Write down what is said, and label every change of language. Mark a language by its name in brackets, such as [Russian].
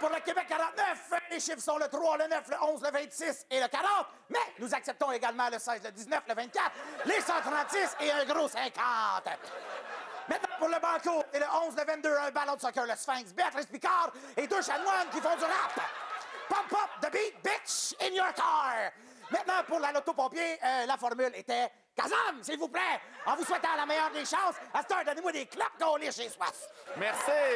[French] pour le Québec 49. Les chiffres sont le 3, le 9, le 11, le 26 et le 40. Mais nous acceptons également le 16, le 19, le 24, les 136 et un gros 50. Maintenant, pour le banco, et le 11, le 22, un ballon de soccer, le Sphinx, Béatrice Picard et deux chanoines qui font du rap. [English] Pump up the beat, bitch, in your car. [French] Maintenant, pour la loto-pompier, la formule était Kazam, s'il vous plaît. En vous souhaitant la meilleure des chances, à cette heure, donnez-moi des claps qu'on lit chez soi. Merci.